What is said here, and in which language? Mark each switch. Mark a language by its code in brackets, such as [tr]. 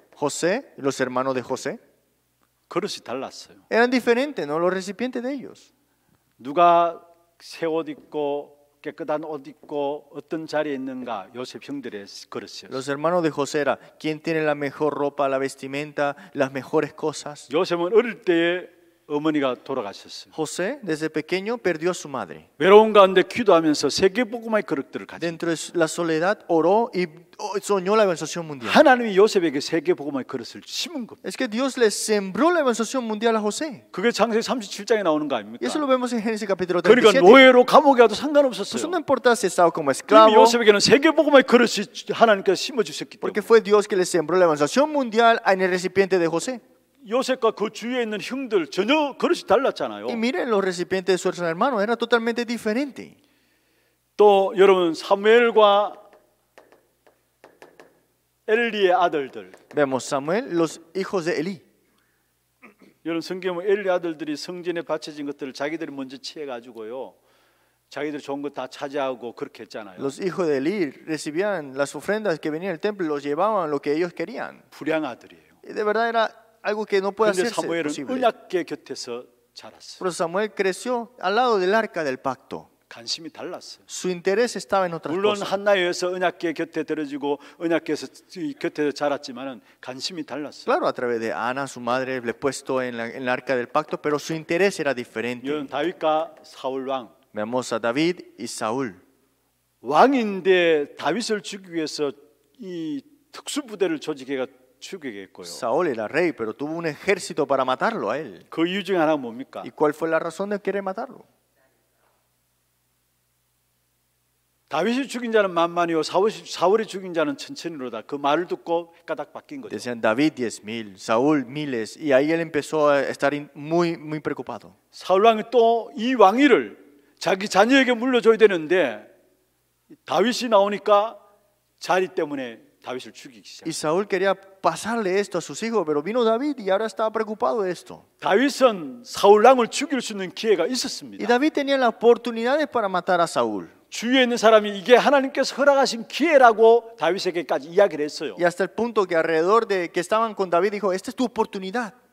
[es] José, los hermanos de José. [ko] 그릇이 달랐어요. [es] Eran diferentes, ¿no? Los recipientes de ellos. [ko] 누가 새 옷 입고 깨끗한 옷 입고 어떤 자리에 있는가 요셉 형들의 그릇이었어요. [es] Los hermanos de José era quien tiene la mejor ropa, la vestimenta, las mejores cosas. [ko] 요셉은 어릴 때 어머니가 돌아가셨습니다. [es] José desde pequeño perdió a su madre. [ko] 외로운 가운데 기도하면서 세계 복음화의 그릇들을 가지고. [es] Dentro de la soledad oró y soñó la evangelización mundial. [ko] 하나님이 요셉에게 세계 복음화의 그릇을 심은 겁니다. [es] Es que Dios le sembró la evangelización mundial a José. [ko] 그게 창세기 37장에 나오는 거 아닙니까? [es] Y eso lo vemos en Génesis capítulo 37. [ko] 그러니까 노예로 감옥에 가도 상관없었어요. [es] Pues no importa si estaba como esclavo. [ko] 요셉에게는 세계 복음화의 그릇이 하나님께서 심어 주셨기 때문에. [es] Porque fue Dios que le sembró la evangelización mundial en el recipiente de José. [ko] 요셉과 그 주위에 있는 형들 전혀 그릇이 달랐잖아요. [es] Y miren los recipientes de su hermano, era totalmente diferente. [ko] 또 여러분 사무엘과 엘리의 아들들. [es] Vemos Samuel, los hijos de Eli. [ko] 여러분 성경에 보면 엘리 아들들이 성전에 바쳐진 것들을 자기들이 먼저 취해 가지고요. 자기들 좋은 거 다 차지하고 그렇게 했잖아요. [es] Los hijos de Eli recibían las ofrendas que venían del templo, los llevaban lo que ellos querían. [ko] 불량 아들이에요. [es] Y de verdad era algo que no puede hacerse. [ko] 사무엘은 언약궤 곁에서 자랐어요. [es] Pero Samuel creció al lado del arca del pacto. [ko] 관심이 달랐어요. [es] Su interés estaba en otras cosas. [ko] 물론 한나에서 언약궤 곁에 들어지고 언약궤에서 곁에서 자랐지만은 관심이 달랐어요. [es] Claro, a través de Ana, su madre, le puesto en la arca del pacto, pero su interés era diferente. [ko] 여러분, 다윗과 사울 왕. [es] Vemos a David y Saúl. [ko] 왕인데 다윗을 죽이기 위해서 이 특수 부대를 조직해가 [es] Saúl era rey, pero tuvo un ejército para matarlo a él. [ko] 그 이유 중 하나 뭡니까? [es] ¿Y cuál fue la razón de querer matarlo? [ko] 다윗이 죽인 자는 만만이요, 사울이 죽인 자는 천천히로다. 그 말을 듣고 까닥 바뀐 거죠. [es] Decían David 10,000, Saúl miles, y ahí él empezó a estar muy muy preocupado. [ko] 사울 왕이 또 이 왕위를 자기 자녀에게 물려줘야 되는데 다윗이 나오니까 자리 때문에. [es] Y Saúl quería pasarle esto a sus hijos, pero vino David y ahora estaba preocupado de esto. [ko] 다윗은 사울 왕을 죽일 수 있는 기회가 있었습니다. [es] Y David tenía las oportunidades para matar a Saúl. [ko] 주위에 있는 사람이 이게 하나님께서 허락하신 기회라고 다윗에게까지 이야기를 했어요. [es] Y hasta el punto que alrededor de que estaban con David dijo, esta es tu oportunidad.